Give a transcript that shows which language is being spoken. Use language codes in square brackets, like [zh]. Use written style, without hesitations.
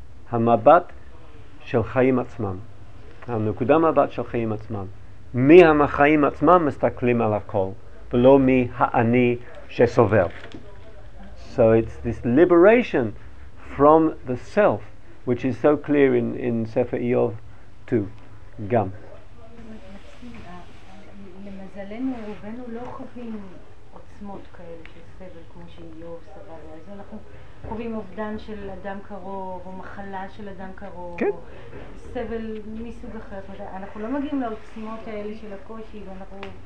[he] המבט של חיים עצמם, הנקודה מבט של חיים עצמם, מי החיים עצמם מסתכלים על הכל ולא מי האני שסובל. [en] So it's this liberation from the self which is so clear in Sefer Iyov 2 גם. [he] למזלנו רובנו לא חווים עוצמות כאלה של סבל כמו שאיוב סבל, אז אנחנו חווים אובדן של אדם קרוב או מחלה של אדם קרוב, כן. או סבל מסוג אחר, אנחנו לא מגיעים לעוצמות האלה של הקושי ואנחנו...